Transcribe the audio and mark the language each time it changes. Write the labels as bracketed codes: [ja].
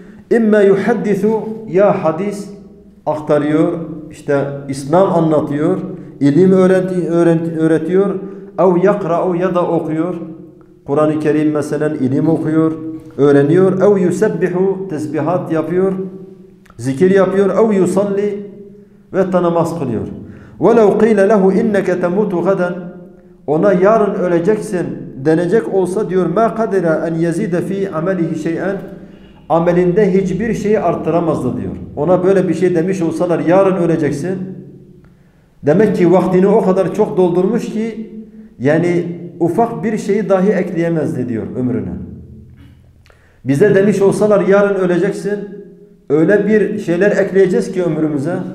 [ar] اِمَّا يُحَدِّثُ [tr] Ya hadis aktarıyor, işte İslam anlatıyor, ilim öğretiyor. [ar] اَوْ يَقْرَعُ [tr] Ya da okuyor. Kur'an-ı Kerim mesela ilim okuyor, öğreniyor. [ar] اَوْ يُسَبِّحُ [tr] Tesbihat yapıyor, zikir yapıyor. [ar] اَوْ يُسَلِّ [tr] Ve namaz kılıyor. [ar] وَلَوْ قِيلَ لَهُ اِنَّكَ تَمُوتُ غَدًا [tr] Ona yarın öleceksin denecek olsa diyor [ar] مَا قَدِرَ اَنْ يَزِيدَ فِي عَمَلِهِ شَيْئًا [tr] Amelinde hiçbir şeyi arttıramazdı diyor. Ona böyle bir şey demiş olsalar yarın öleceksin. Demek ki vaktini o kadar çok doldurmuş ki yani ufak bir şeyi dahi ekleyemezdi diyor ömrüne. Bize demiş olsalar yarın öleceksin, öyle bir şeyler ekleyeceğiz ki ömrümüze.